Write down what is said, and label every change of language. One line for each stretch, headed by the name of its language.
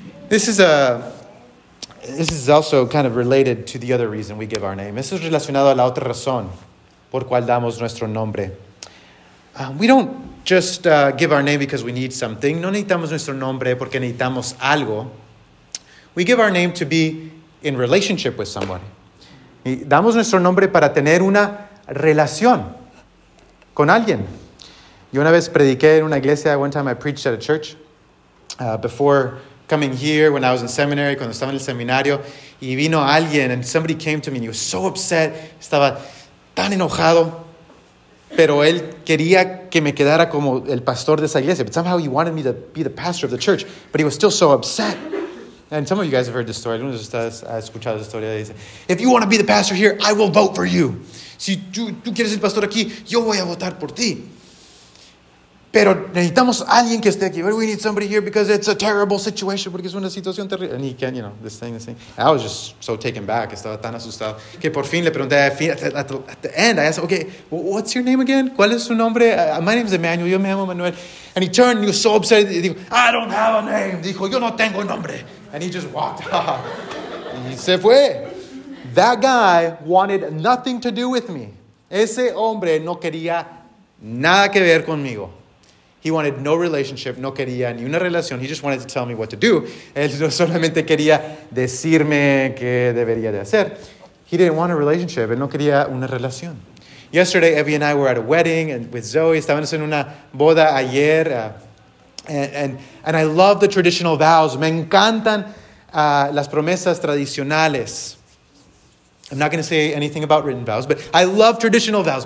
English: This is also kind of related to the other reason we give our name.
Spanish: Esto es relacionado a la otra razón por cual damos nuestro nombre.
English: We don't just give our name because we need something.
Spanish: No necesitamos nuestro nombre porque necesitamos algo.
English: We give our name to be in relationship with someone.
Spanish: Y damos nuestro nombre para tener una relación con alguien. Yo una vez prediqué en una iglesia.
English: One time I preached at a church before coming here when I was in seminary,
Spanish: cuando estaba en el seminario, y vino alguien,
English: and somebody came to me, and he was so upset,
Spanish: estaba tan enojado, pero él quería que me quedara como el pastor de esa iglesia,
English: but somehow he wanted me to be the pastor of the church, but he was still so upset. And some of you guys have heard this story,
Spanish: algunos de ustedes han escuchado esta historia, dice,
English: if you want to be the pastor here, I will vote for you.
Spanish: Si tú quieres ser pastor aquí, yo voy a votar por ti. Pero necesitamos alguien que esté aquí.
English: We need somebody here because it's a terrible situation.
Spanish: Porque es una situación terrible.
English: And he can, you know, this thing. I was just so taken back.
Spanish: Estaba tan asustado. Que por fin le pregunté,
English: at the end, I asked, okay, what's your name again?
Spanish: ¿Cuál es su nombre?
English: My name is Emmanuel.
Spanish: Yo me llamo Manuel.
English: And he turned and he was so upset. He
Spanish: dijo,
English: I don't have a name.
Spanish: Dijo, yo no tengo nombre.
English: And he just walked off.
Spanish: Y se fue.
English: That guy wanted nothing to do with me.
Spanish: Ese hombre no quería nada que ver conmigo.
English: He wanted no relationship,
Spanish: no quería ni una relación.
English: He just wanted to tell me what to do.
Spanish: Él solamente quería decirme qué debería de hacer.
English: He didn't want a relationship.
Spanish: Él no quería una relación.
English: Yesterday, Evie and I were at a wedding and with Zoe.
Spanish: Estábamos en una boda ayer.
English: And I love the traditional vows.
Spanish: Me encantan las promesas tradicionales.
English: I'm not going to say anything about written vows, but I love traditional vows.